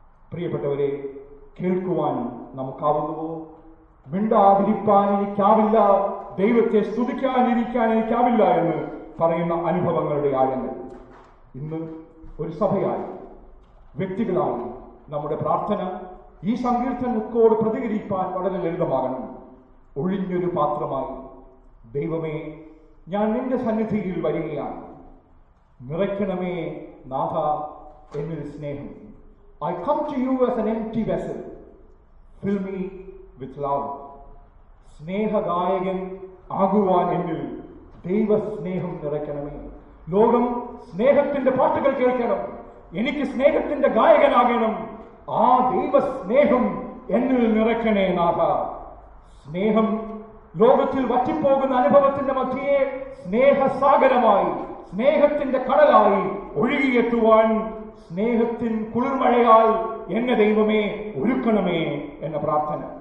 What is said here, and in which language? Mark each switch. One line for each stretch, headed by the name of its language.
Malayalam: പ്രിയപ്പെട്ടവരെ കേൾക്കുവാൻ നമുക്കാവുന്നുവോ? മിണ്ടാതിരിപ്പാൻ എനിക്കാവില്ല, ദൈവത്തെ സ്തുതിക്കാൻ ഇരിക്കാൻ എനിക്കാവില്ല എന്ന് പറയുന്ന അനുഭവങ്ങളുടെ ആഴങ്ങൾ ഇന്ന് ഒരു സഭയായി വ്യക്തികളായി നമ്മുടെ പ്രാർത്ഥന ഈ സങ്കീർത്തനത്തോട് പ്രതികരിപ്പാൻ വളരെ ലളിതമാകണം. ഒഴിഞ്ഞൊരു പാത്രമായി ദൈവമേ ഞാൻ നിന്റെ സന്നിധിയിൽ വരികയാണ്, നിറയ്ക്കണമേ നാഥ എന്നൊരു സ്നേഹം.
English: I come to you as an empty vessel. Fill me with love.
Malayalam: സ്നേഹഗായകൻ ആകുവാൻ എന്നിൽ ദൈവ സ്നേഹം നിറയ്ക്കണമേ. ലോകം സ്നേഹത്തിന്റെ പാട്ടുകൾ കേൾക്കണം, എനിക്ക് സ്നേഹത്തിന്റെ ഗായകനാകണം. ആ ദൈവ സ്നേഹം എന്നിൽ നിറയ്ക്കണേ നാഥ. സ്നേഹം ലോകത്തിൽ വറ്റിപ്പോകുന്ന അനുഭവത്തിന്റെ മധ്യയെ സ്നേഹസാഗരമായി സ്നേഹത്തിന്റെ കടലായി ഒഴുകിയെത്തുവാൻ സ്നേഹത്തിൻ കുളിർമഴയാൽ എന്നെ ദൈവമേ ഒരുക്കണമേ എന്ന പ്രാർത്ഥന.